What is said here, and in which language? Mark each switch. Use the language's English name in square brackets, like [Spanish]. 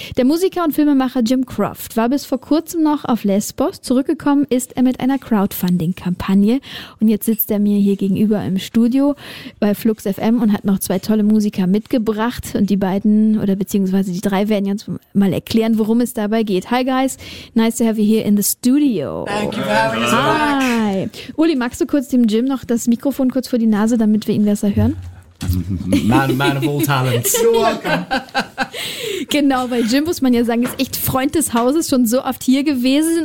[German] Der Musiker und Filmemacher Jim Croft war bis vor kurzem noch auf Lesbos. Zurückgekommen ist er mit einer Crowdfunding-Kampagne. Und jetzt sitzt er mir hier gegenüber im Studio bei Flux FM und hat noch zwei tolle Musiker mitgebracht. Und die beiden oder beziehungsweise die drei werden jetzt mal erklären, worum es dabei geht. [English] Hi guys, nice to have you here in the studio. Thank you for having us back. Hi. [German] Uli, magst du kurz dem Jim noch das Mikrofon kurz vor die Nase, damit wir ihn besser hören? [English] Man of all talents. You're welcome. [German] Genau, weil Jim, muss man ja sagen, ist echt Freund des Hauses, schon so oft hier gewesen.